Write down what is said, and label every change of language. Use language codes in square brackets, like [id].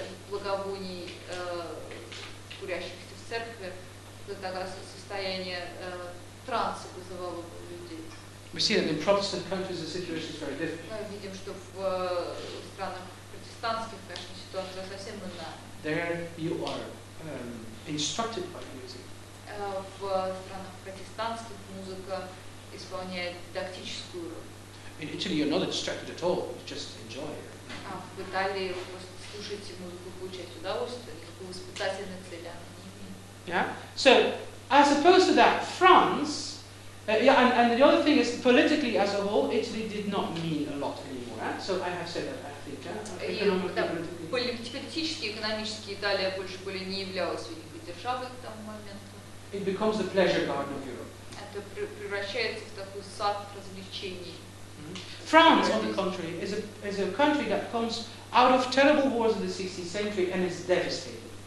[ru] благовоний курящихся в церкви, это состояние транса вызывало у людей. [en] We see that in Protestant countries the situation is very different. [ru] Мы видим, что в странах протестантских, конечно, ситуация совсем иная. [en] There you are instructed by music. [ru] В странах протестантских музыка исполняет дидактическую роль. [en] In Italy you're not instructed at all, you just enjoy it. [ru] А в Италии вы просто слушаете музыку, получаете удовольствие, никакого воспитательной цели она не имеет. [en] Yeah? So, as opposed to that, France, and the other thing is, politically as a whole, Italy did not mean a lot anymore. Eh? So I have said that, I think. [ru] Политически, экономически Италия больше более не являлась великой державой к тому моменту. [en] It becomes the pleasure garden of Europe. [ru] Это превращается в такой сад развлечений. [en] France, on the contrary, is a country that comes out of terrible wars of the 16th century and is devastated.